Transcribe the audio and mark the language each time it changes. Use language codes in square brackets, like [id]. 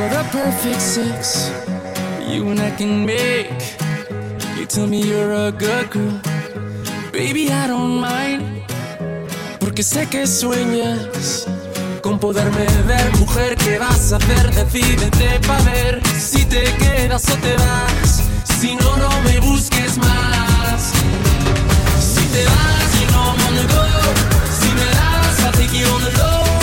[en] Perfect six, you and I can make. You tell me you're a good girl, baby, I don't mind. [es] Porque sé que sueñas con poderme ver. Mujer, ¿qué vas a hacer? Decídete pa' ver si te quedas o te vas. Si no, no me busques más. Si te vas, [en] you know I'm on the go. [es] Si me das, [en] I'll take you on the low.